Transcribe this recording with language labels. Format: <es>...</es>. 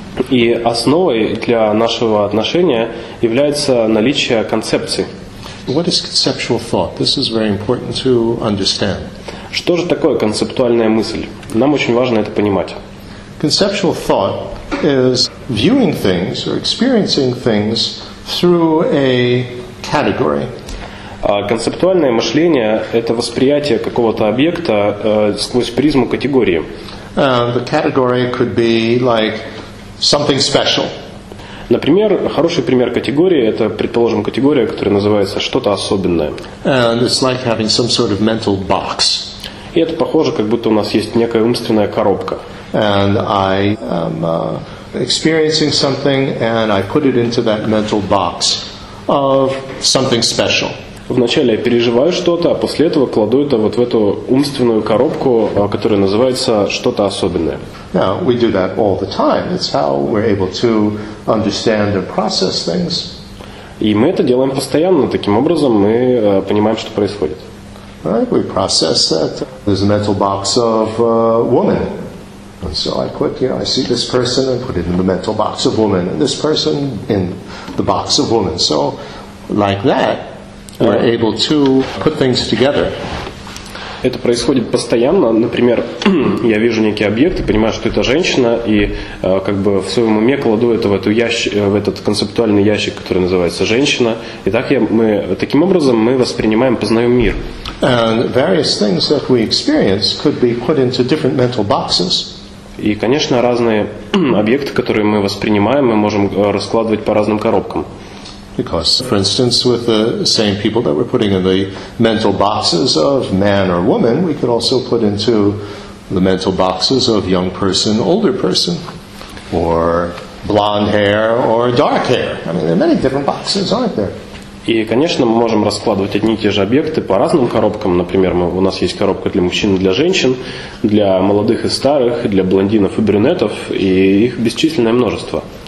<ru>И основой для нашего отношения является наличие концепции.</ru> <en>What is conceptual thought? This is very important to understand.</en> <ru>Что же такое концептуальная мысль? Нам очень важно это понимать.</ru> <en>Conceptual thought is viewing things or experiencing things through a category.</en> <ru>Концептуальное мышление – это восприятие какого-то объекта сквозь призму категории.</ru> <en>The category could be like something special.</en> <ru>Например, хороший пример категории – это, предположим, категория, которая называется «что-то особенное».</ru> <en>And it's like having some sort of mental box.</en> <ru>И это похоже, как будто у нас есть некая умственная коробка.</ru> <en>And I am experiencing something, and I put it into that mental box of something special.</en> <ru>Вначале я переживаю что-то, а после этого кладу это вот в эту умственную коробку, которая называется «что-то особенное».</ru> <en>Now, we do that all the time. It's how we're able to understand and process things.</en> <ru>И мы это делаем постоянно. Таким образом, мы понимаем, что происходит.</ru> <en>Right, we process that. There's a mental box of woman. And so I put, I see this person and put it in the mental box of woman. And this person in the box of woman. So, like that, we're able to put things together.</en> <ru>Это происходит постоянно. Например, я вижу некий объект и понимаю, что это женщина, и как бы в своем уме кладу это в эту ящик, в этот концептуальный ящик, который называется женщина. И так таким образом мы воспринимаем, познаем мир.</ru> <en>And various things that we experience could be put into different mental boxes.</en> <ru>И, конечно, разные объекты, которые мы воспринимаем, мы можем раскладывать по разным коробкам.</ru> <en>Because, for instance, with the same people that we're putting in the mental boxes of man or woman, we could also put into the mental boxes of young person, older person, or blonde hair or dark hair. I mean, there are many different boxes, aren't there?</en> <ru>И, конечно, мы можем раскладывать одни и те же объекты по разным коробкам. Например, у нас есть коробка для мужчин и для женщин, для молодых и старых, для блондинов и брюнетов, и их бесчисленное множество.</ru>